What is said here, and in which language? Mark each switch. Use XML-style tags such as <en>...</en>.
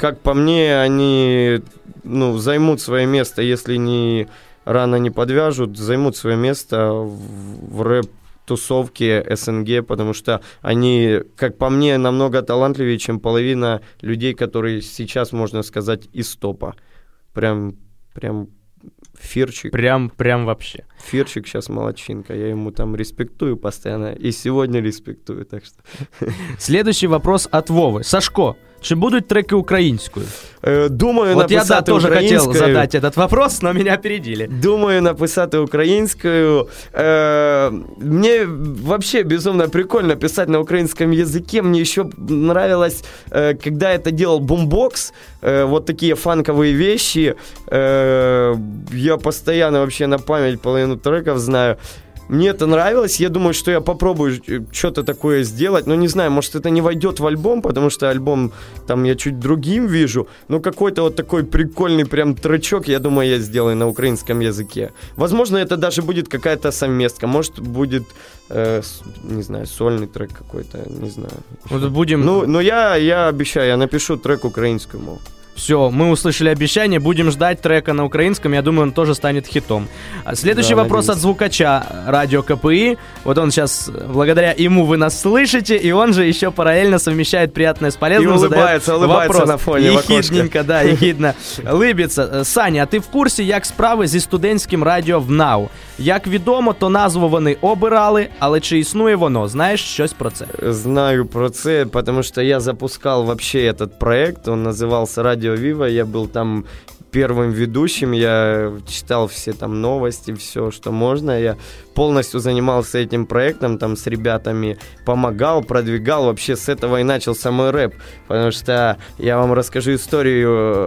<ru>Как по мне, они, ну, займут свое место, если не рано не подвяжут, займут свое место в рэп-тусовке СНГ, потому что они, как по мне, намного талантливее, чем половина людей, которые сейчас, можно сказать, из топа. Прям фирчик. Прям вообще. Фирчик сейчас молодчинка. Я ему там респектую постоянно. И сегодня респектую, так что. Следующий вопрос от Вовы.</ru> <uk>Сашко, чи будуть треки українською? Думаю,</uk> <ru>вот</ru> <uk>написати</uk> <ru>я, да, тоже хотел задать этот вопрос, но меня опередили.</ru> <uk>Думаю, написати українською.</uk> <ru>Мне вообще безумно прикольно писать на українском языке. Мне еще нравилось, когда это делал Бумбокс, вот такие фанковые вещи. Я постоянно вообще на память половину треков знаю. Мне это нравилось, я думаю, что я попробую что-то такое сделать, но не знаю, может, это не войдет в альбом, потому что альбом там я чуть другим вижу, но какой-то вот такой прикольный прям трачок, я думаю, я сделаю на украинском языке. Возможно, это даже будет какая-то совместка, может, будет... не знаю, сольный трек какой-то, не знаю. Вот будем... Ну я обещаю, я напишу трек украинскую, мол. Все, мы услышали обещание, будем ждать трека на украинском, я думаю, он тоже станет хитом. Следующий, да, вопрос, надеюсь, от звукача радио КПИ. Вот он сейчас, благодаря ему вы нас слышите, и он же еще параллельно совмещает приятное с полезным. И улыбается вопрос на фоне в окошко. И хитненько, да, и хитно. Лыбится.</ru> <uk>Саня, а ти в курсі, як справи зі студентським радіо в НАУ? Як відомо, то назву вони обирали, але чи існує воно? Знаєш щось про це? Знаю про це, тому що я запускав</uk> <ru>вообще этот проект, он називався Радіо Віва, я був там первым ведущим, я читал все там новости, все, что можно, я полностью занимался этим проектом, там с ребятами помогал, продвигал, вообще с этого и начался мой рэп, потому что я вам расскажу историю.</ru>